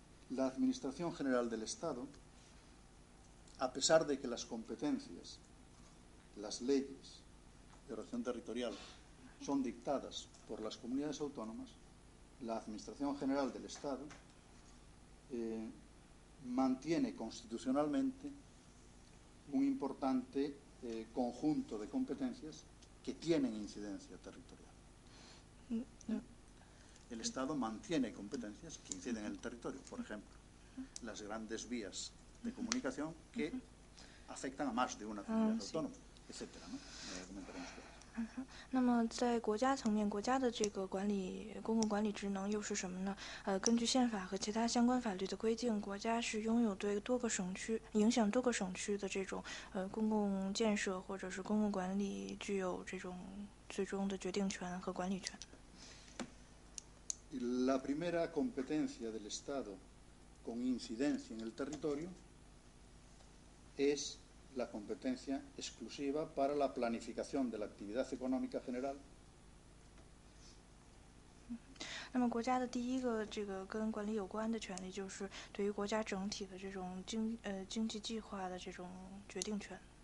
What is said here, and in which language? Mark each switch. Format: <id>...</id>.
<es>La Administración General del Estado, a pesar de que las competencias, las leyes de ordenación territorial son dictadas por las comunidades autónomas, la Administración General del Estado mantiene constitucionalmente un importante conjunto de competencias que tienen incidencia territorial. El Estado mantiene competencias que inciden en el territorio, por ejemplo, las grandes vías de comunicación que afectan a más de una comunidad autónoma, etcétera, ¿no? Comentaremos después.</es> <zh>那么，在国家层面，国家的这个管理公共管理职能又是什么呢？根据宪法和其他相关法律的规定，国家是拥有对多个省区影响多个省区的这种公共建设或者是公共管理具有这种最终的决定权和管理权。</zh> <es>La primera competencia del Estado con incidencia en el territorio es la competencia exclusiva para la planificación de la actividad económica general.</es> <zh>那么，国家的第一个这个跟管理有关的权利，就是对于国家整体的这种经济计划的这种决定权。</zh>